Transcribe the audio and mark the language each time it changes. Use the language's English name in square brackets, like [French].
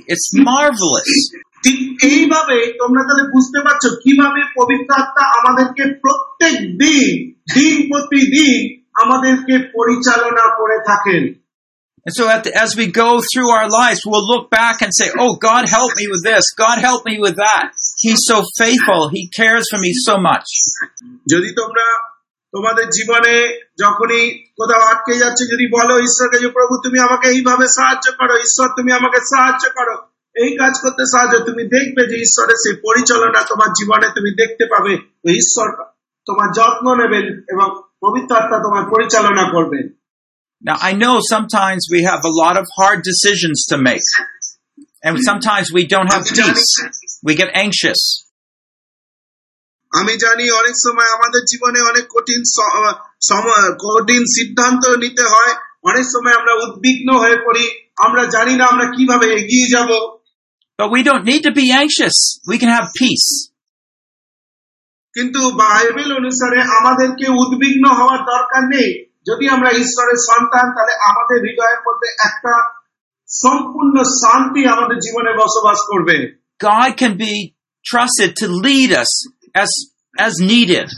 [English] It's marvelous. [Bangla] ঠিক এইভাবে তোমরা তাহলে বুঝতে পারছো কিভাবে পবিত্র আত্মা আমাদেরকে প্রত্যেক দিন, দিন প্রতিদিন আমাদেরকে পরিচালনা করে থাকেন। [English] And so as we go through our lives, we'll look back and say, oh, God, help me with this. God, help me with that. He's so faithful. He cares for me so much. [Bangla] যদি তোমরা তোমাদের জীবনে যখনই কোথাও আটকে যাচ্ছে, যদি বলো ঈশ্বরকে যে প্রভু তুমি আমাকে এইভাবে সাহায্য করো, ঈশ্বর তুমি আমাকে সাহায্য করো, এই কাজ করতে সাহায্য, তুমি দেখবে যে ঈশ্বরের সেই পরিচালনা তোমার জীবনে তুমি দেখতে পাবে, ঈশ্বর তোমার যত্ন নেবেন এবং পবিত্র আত্মা তোমার পরিচালনা করবেন। [English] Now, I know sometimes we have a lot of hard decisions to make. And sometimes we don't have peace. We get anxious. [Bangla] আমি জানি অনেক সময় আমাদের জীবনে অনেক কঠিন কঠিন সিদ্ধান্ত নিতে হয়। অনেক সময় আমরা উদ্বিগ্ন হয়ে পড়ি। আমরা জানি না আমরা কিভাবে এগিয়ে যাব। [English] But we don't need to be anxious. We can have peace. [Bangla] কিন্তু বাইবেল অনুসারে আমাদেরকে উদ্বিগ্ন হওয়ার দরকার নেই। যদি আমরা ঈশ্বরের সন্তান তাহলে আমাদের হৃদয়ের মধ্যে একটা সম্পূর্ণ শান্তি আমাদের জীবনে বসবাস করবে। [English] God can be trusted to lead us as needed.